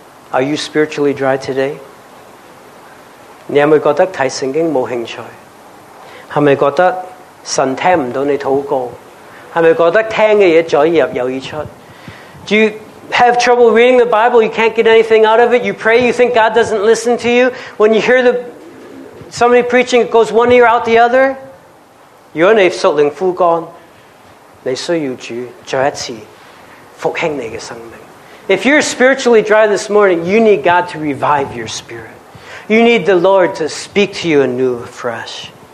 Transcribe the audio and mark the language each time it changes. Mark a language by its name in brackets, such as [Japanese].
[English] Are you spiritually dry today? [Chinese] 你是不是觉得看圣经没兴趣?是不是觉得神听不到你祷告? 是不是觉得听的东西左耳入右耳出? [English] Do you have trouble reading the Bible? You can't get anything out of it? You pray, you think God doesn't listen to you? When you hear somebody preaching, it goes one ear out the other? [Chinese] 如果你属灵枯干, 你需要主再一次复兴你的生命。 [English] If you're spiritually dry this morning, you need God to revive your spirit. You need the Lord to speak to you anew, afresh.